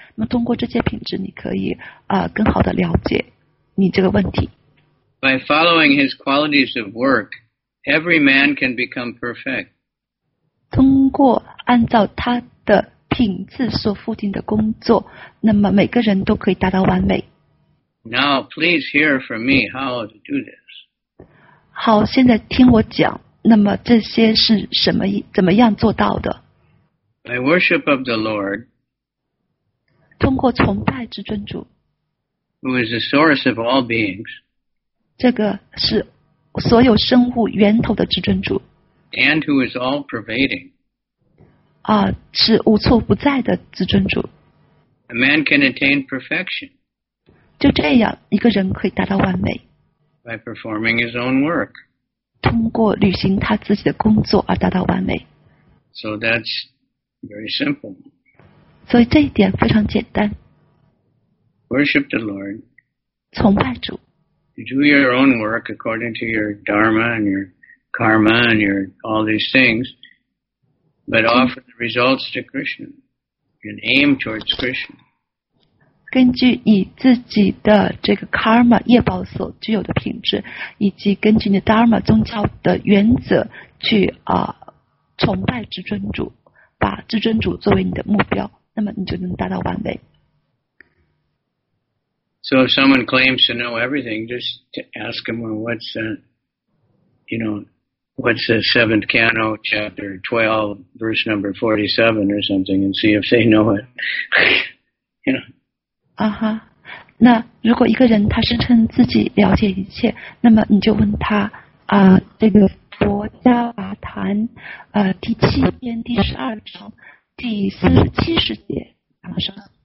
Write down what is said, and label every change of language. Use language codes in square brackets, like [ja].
[zh] 那么通过这些品质，你可以更好的了解你这个问题。 [en] By following his qualities of work, every man can become perfect. [zh] 通过按照他的品质所附近的工作，那么每个人都可以达到完美。 [en] Now, please hear from me how to do this. [zh] 好，现在听我讲，那么这些是什么，怎么样做到的？ [en] By worship of the Lord, [zh] 通过崇拜至尊主， [en] who is the source of all beings, [zh] 这个是所有生物源头的至尊主， [en] and who is all pervading, [zh] 啊，是无处不在的至尊主。 [en] A man can attain perfection. [zh] 就这样，一个人可以达到完美。 [en] By performing his own work. [zh] 通过履行他自己的工作而达到完美。 [en] So that's very simple. [zh] 所以这一点非常简单。 [en] Worship the Lord. [zh] 崇拜主。 [en] You do your own work according to your dharma and your karma and your all these things, but offer the results to Krishna and aim towards Krishna. [zh] 根据你自己的这个 karma 业报所具有的品质，以及根据你的 dharma 宗教的原则去崇拜至尊主，把至尊主作为你的目标，那么你就能达到完美。 [en] So if someone claims to know everything, just to ask him, well, what's the, you know, what's the seventh canto, chapter 12, verse number 47 or something, and see if they know it. you know. [zh] 那如果一个人他声称自己了解一切，那么你就问他这个佛家法坛第七篇第十二章第四十七十节讲了什么。